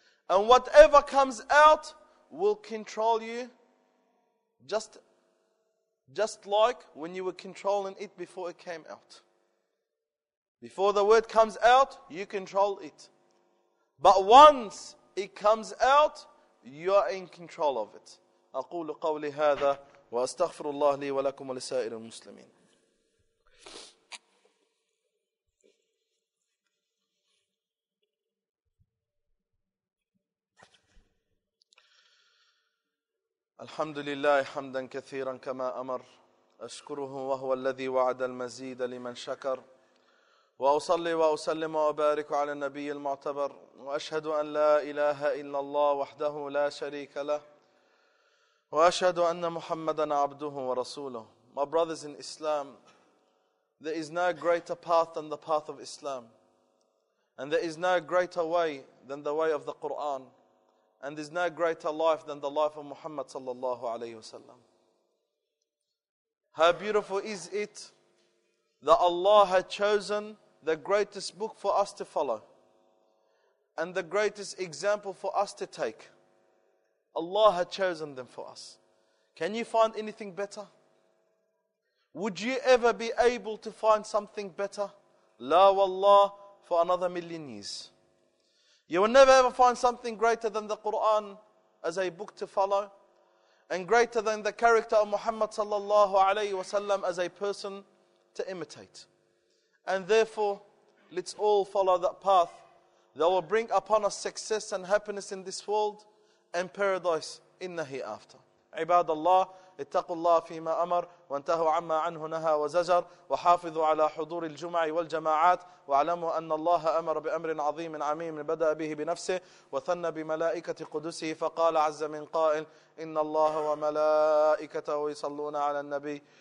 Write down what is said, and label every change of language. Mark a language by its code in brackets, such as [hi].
[en] And whatever comes out will control you just like when you were controlling it before it came out. Before the word comes out, you control it. But once it comes out, you are in control of it. [ar] أقول قولي هذا وأستغفر الله لي ولكم ولسائر المسلمين. الحمد لله حمدا كثيرا كما أمر. أشكره وهو الذي وعد المزيد لمن شكر. وأصلي وأسلم وأبارك على النبي المعتبر، وأشهد أن لا إله إلا الله وحده لا شريك له، وأشهد أن محمدا عبده ورسوله. [en] My brothers in Islam, there is no greater path than the path of Islam, and there is no greater way than the way of the Quran, and there is no greater life than the life of Muhammad sallallahu alayhi wasallam. How beautiful is it that Allah had chosen the greatest book for us to follow and the greatest example for us to take. Allah had chosen them for us. Can you find anything better? Would you ever be able to find something better? [ar] La wallah, [en] for another million years. You will never ever find something greater than the Quran as a book to follow, and greater than the character of Muhammad sallallahu alayhi wasallam as a person to imitate. And therefore, let's all follow that path that will bring upon us success and happiness in this world and paradise in the hereafter. [ar] عباد الله اتقوا الله فيما أمر وانتهوا عما عنه نهى وزجر وحافظوا على حضور الجمع والجماعات واعلموا أن الله أمر بأمر عظيم عميم بدأ به بنفسه وثنى بملائكة قدسه فقال عز من قائل إن الله وملائكته يصلون على النبي